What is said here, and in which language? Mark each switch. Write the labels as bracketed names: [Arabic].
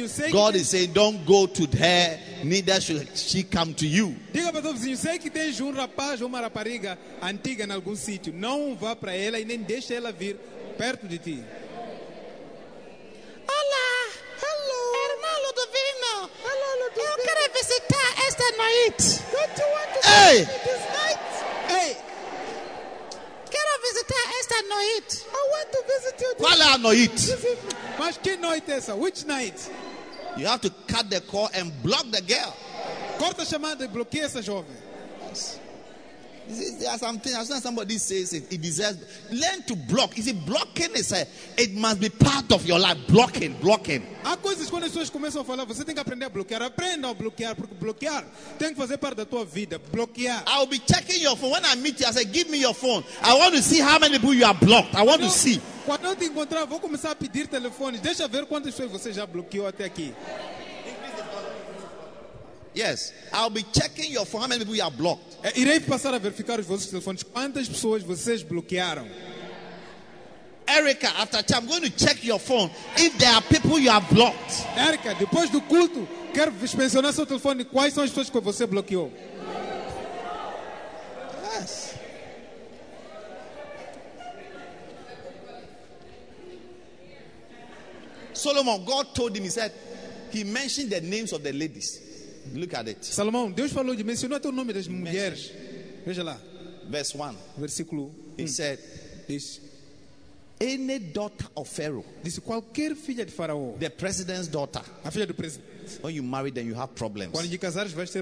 [English] God is saying, don't go to her, neither should she come to you. [Portuguese] Diga para todo vizinho, sei que tens um rapaz ou uma rapariga antiga em algum sítio. Não vá para ela e nem deixe ela vir perto de ti. Olá. [English] Hello. [Portuguese] Irmã Ludovina. [English] Hello, Ludovina. [Portuguese] Eu quero visitar esta noite. [English] Don't you want to see me this night? Hey. [Portuguese] Quero visitar esta noite. [English] I want to visit you. [Portuguese] Qual é a noite? Mas que noite essa? [English] Which night? You have to cut the call and block the girl. [Portuguese] Corta a chamada e bloqueia essa jovem. [English] Yes. There are some things, as soon as somebody says it, it deserves. Learn to block. Is it blocking? It must be part of your life. Blocking, blocking. [Portuguese] Há coisas quando as pessoas começam a falar, você tem que aprender a bloquear. Aprenda a bloquear, porque bloquear tem que fazer parte da tua vida. Bloquear. [English] I'll be checking your phone. When I meet you, I say, give me your phone. I want to see how many people you are blocked. I want to see. [Portuguese] Quando eu te encontrar, vou começar a pedir telefones. Deixa ver quantas pessoas você já bloqueou até aqui. [English] Yes, I'll be checking your phone. How many people you have blocked? [Portuguese] Irei passar a verificar os vossos telefones. Quantas pessoas vocês bloquearam? [English] Erica, after church, I'm going to check your phone. If there are people you have blocked. [Portuguese] Erica, depois do culto, quero inspecionar seu telefone. Quais são as pessoas que você bloqueou? [English] Yes. Solomon, God told him, he said, he mentioned the names of the ladies. Look at it. [Portuguese] Salomão, Deus falou de mencionar teu nome das mulheres. Veja lá. [English] Verse 1. [Portuguese] Versículo [English] 1. He said, [Portuguese] diz, [English] any daughter of Pharaoh. [Portuguese] Disse qualquer filha de Faraó. [English] The president's daughter. [Portuguese] A filha do presidente. [English] When you marry them, you have problems. [Portuguese] Quando te casares, vais ter problemas.